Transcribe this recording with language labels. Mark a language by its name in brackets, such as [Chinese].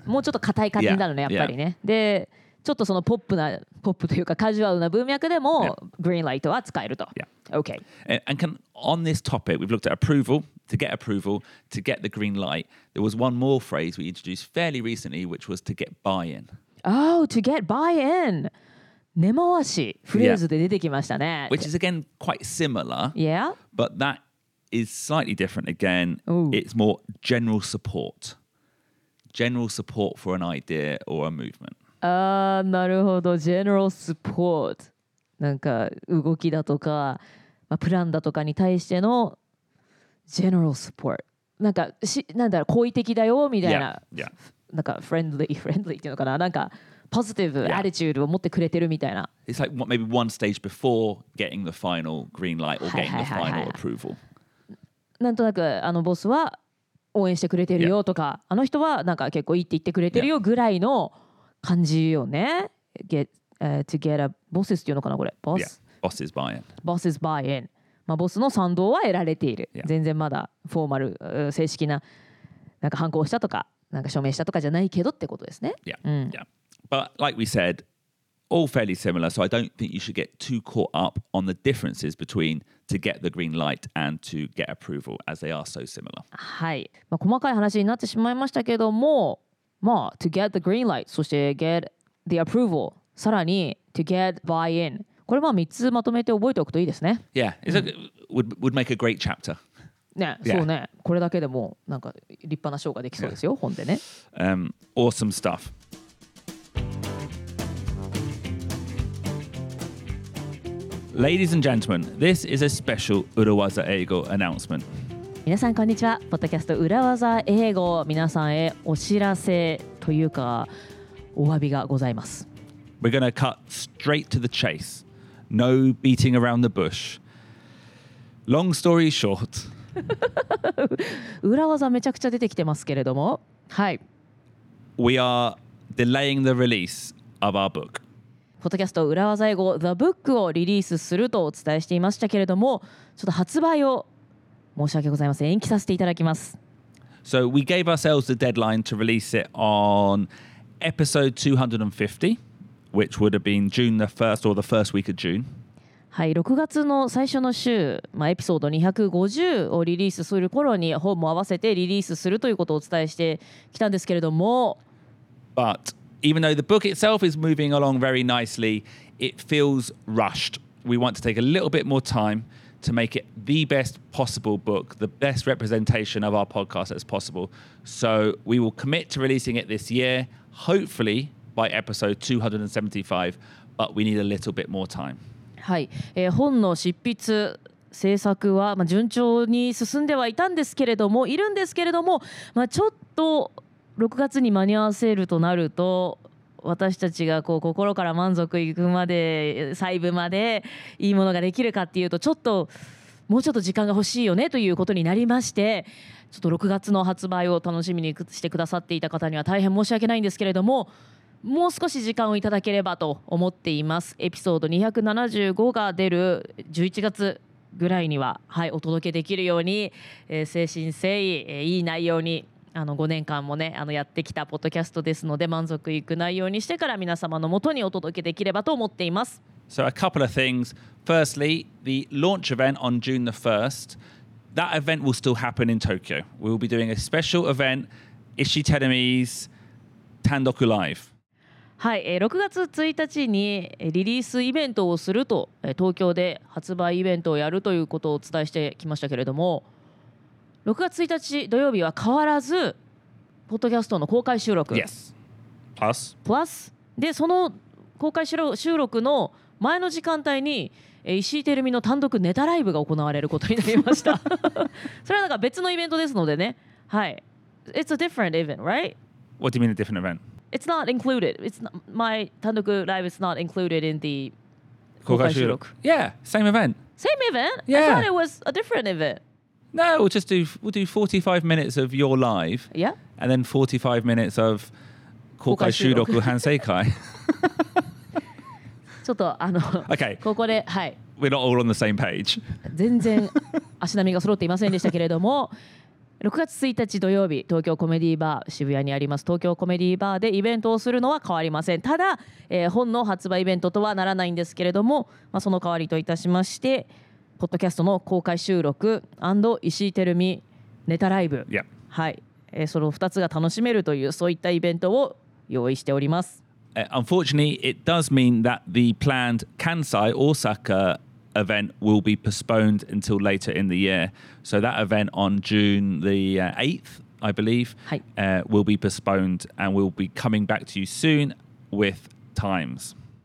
[Japanese] もうちょっと固い感じになるね、やっぱりね。で、ちょっとそのポップな、ポップというかカジュアルな文脈でも、green light は使えると。 [English] Yeah. Okay. And can, on this topic, we've looked at approval, to get approval, to get the green light. There was one more phrase we introduced fairly recently, which was to get buy-in. Oh, to get buy-in. [Japanese] 根回しフレーズで出てきましたね、 [English] yeah. Which is again quite similar Yeah But that is slightly different again、Ooh. It's more general support General support for an idea or a movement [Japanese] なるほど General support なんか動きだとか、まあ、プランだとかに対しての General support なんかしなんだろう好意的だよみたいな [English] yeah. Yeah. [Japanese] なんか friendly っていうのかななんか [English] Positive attitude、yeah. [Japanese] を持ってくれてるみたいな。 [English] It's like maybe one stage before getting the final green light or getting the final approval. [Japanese] なんとなくあのボスは応援してくれてるよとか、 [English] yeah. [Japanese] あの人はなんか結構いいって言ってくれてるよぐらいの感じよね。 [English] Get, to get a bosses [Japanese] っていうのかなこれ。 [English] Boss? Yeah. Boss is buy-in. Boss is buy-in.、 [Japanese] まあ、ボスの賛同は得られている。 [English] Yeah. [Japanese] 全然まだフォーマル、正式ななんか反抗したとか、なんか署名したとかじゃないけどってことですね。 [English] Yeah.、うん yeah. But like we said, all fairly similar, so I don't think you should get too caught up on the differences between to get the green light and to get approval, as they are so similar. [Japanese] はい。まあ、細かい話になってしまいましたけども、まあ、 [English] to get the green light, [Japanese] そして [English] get the approval, [Japanese] さらに [English] to get buy-in. [Japanese] これまあ3つまとめて覚えておくといいですね。 [English] Yeah, it's、うん、would make a great chapter. [Japanese] ね、 [English] yeah. [Japanese] そうね。これだけでもなんか立派な章ができそうですよ、本でね。 [English] Awesome stuff. Ladies and gentlemen, this is a special Urawaza Eigo announcement. [Japanese] 皆さんこんにちは。ポッドキャスト Urawaza Eigo 皆さんへお知らせというかお詫びがございます。 [English] We're going to cut straight to the chase. No beating around the bush. Long story short. [Japanese] Urawaza めちゃくちゃ出てきてますけれども。はい。 [English] We are delaying the release of our book. [Japanese] ポッドキャスト裏技英語 The Book をリリースするとお伝えしていましたけれどもちょっと発売を申し訳ございません延期させていただきます [English] So we gave ourselves the deadline to release it on episode 250 which would have been June the 1st or the first week of June [Japanese] はい6月の最初の週、まあ、エピソード250をリリースする頃に本も合わせてリリースするということをお伝えしてきたんですけれども [English] ButEven though the book itself is moving along very nicely, it feels rushed. We want to take a little bit more time to make it the best possible book, the best representation of our podcast as possible. So we will commit to releasing it this year, hopefully by episode 275, but we need a little bit more time. [Japanese] はい、本の執筆制作は、まあ、順調に進んではいたんですけれども、いるんですけれども、まあ、ちょっと6月に間に合わせるとなると私たちがこう心から満足いくまで細部までいいものができるかっていうとちょっともうちょっと時間が欲しいよねということになりまして、ちょっと6月の発売を楽しみにしてくださっていた方には大変申し訳ないんですけれども、もう少し時間をいただければと思っています。エピソード275が出る11月ぐらいには、はい、お届けできるように、誠心誠意、いい内容に、あの5年間もね、あのやってきたポッドキャストですので、満足いく内容にしてから皆様のもとにお届けできればと思っています。 [English] So a couple of things. Firstly, the launch event on June the 1st, that event will still happen in Tokyo. We will be doing a special event, Ishii Tenami's Tandoku Live. [Japanese] はい、6月1日にリリースイベントをすると、東京で発売イベントをやるということをお伝えしてきましたけれども、6月1日土曜日は変わらずポッドキャストの公開収録、 [English] yes. Plus. Plus. [Japanese] でその公開収録の前の時間帯に石井テルミの単独ネタライブが行われることになりましたそれはなんか別のイベントですのでね、はい、 [English] It's a different event, right? What do you mean a different event? It's not included. It's not, my Tanduku live is not included in the 公開収録.Yeah, same event. Same event? Yeah. I thought it was a different event. No, we'll just do, we'll do 45 minutes of your live. Yeah. And then 45 minutes of 公開収録 Hansei-kai. [Japanese] ちょっとあの、 [English] okay. [Japanese] ここで、はい。 [English] We're not all on the same page. [Japanese] 全然足並みが揃っていませんでしたけれども、6月1日土曜日、東京コメディーバー、渋谷にあります東京コメディーバーでイベントをするのは変わりません。ただ、本の発売イベントとはならないんですけれども、まあ、その代わりといたしまして、ポッドキャストの公開収録&石井テルミネタライブ、 [English] yeah. [Japanese] はい、その2つが楽しめるという、そういったイベントを用意しております。 [English] Unfortunately, it does mean that the planned Kansai Osaka event will be postponed until later in the year. So that event on June the 8th, I believe, will be postponed and we'll be coming back to you soon with times.